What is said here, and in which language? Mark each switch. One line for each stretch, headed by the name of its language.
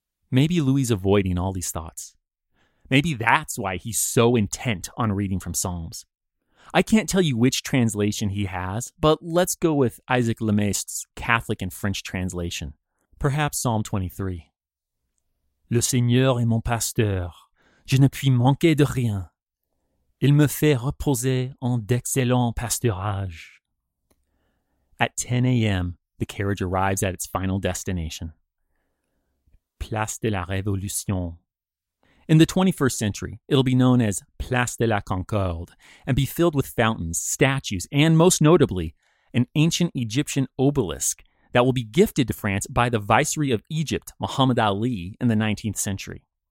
English: Maybe Louis's avoiding all these thoughts. Maybe that's why he's so intent on reading from Psalms. I can't tell you which translation he has, but let's go with Isaac Lemaistre's Catholic and French translation. Perhaps Psalm 23.
French: Le Seigneur est mon pasteur. Je ne puis manquer de rien. Il me fait reposer en d'excellent pasturage.
English: At 10 a.m., the carriage arrives at its final destination. Place de la Révolution. In the 21st century, it'll be known as Place de la Concorde and be filled with fountains, statues, and most notably, an ancient Egyptian obelisk that will be gifted to France by the Viceroy of Egypt, Muhammad Ali, in the 19th century.